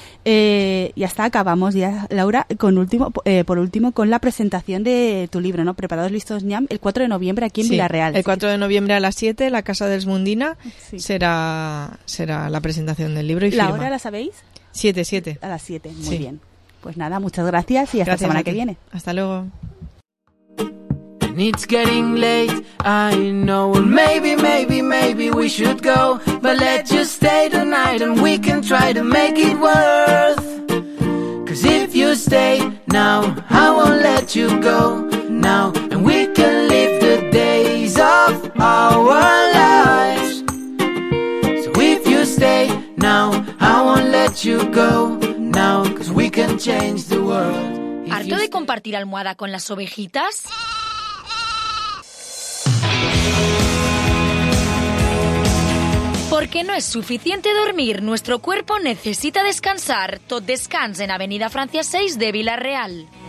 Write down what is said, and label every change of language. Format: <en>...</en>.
<es>Ya está, acabamos ya, Laura, por último, con la presentación de tu libro, ¿no? Preparados, listos, ñam, el 4 de noviembre aquí en Villarreal. El 4 de noviembre a las 7, la Casa de Esmundina, sí, será la presentación del libro y la firma. ¿La hora la sabéis? Siete. A las 7, muy bien. Pues nada, muchas gracias y hasta la semana que viene. Hasta luego.</es> <en>And it's getting late, I know. Well, maybe, maybe, maybe we should go. But let's just stay tonight and we can try to make it worth. Cause if you stay now, I won't let you go now. And we can live the days of our lives. So if you stay now, I won't let you go now. Cause we can change the world.</en> <es>¿Harto de compartir almohada con las ovejitas? Porque no es suficiente dormir, nuestro cuerpo necesita descansar. Tot Descans en Avenida Francia 6 de Villarreal.</es>